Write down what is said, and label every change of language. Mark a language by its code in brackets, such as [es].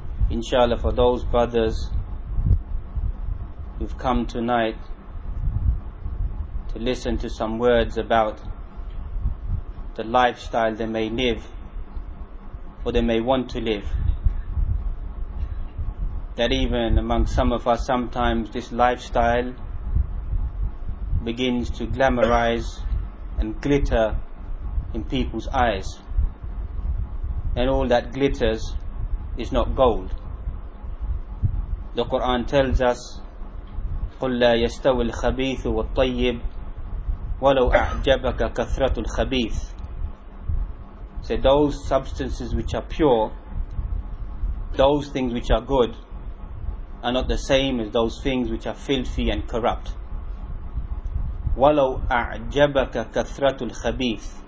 [en] Inshallah, for those brothers who've come tonight to listen to some words about the lifestyle they may live or they may want to live, that even among some of us, sometimes this lifestyle begins to glamorize and glitter in people's eyes. And all that glitters is not gold. The Quran tells us, [ar] قُلْ لَا يَسْتَوِي الْخَبِيثُ وَالطَّيِّبُ وَلَوْ أَعْجَبَكَ كَثْرَةُ الْخَبِيثُ. [en] So those substances which are pure, those things which are good, are not the same as those things which are filthy and corrupt. [ar] وَلَوْ أَعْجَبَكَ كَثْرَةُ الْخَبِيثِ.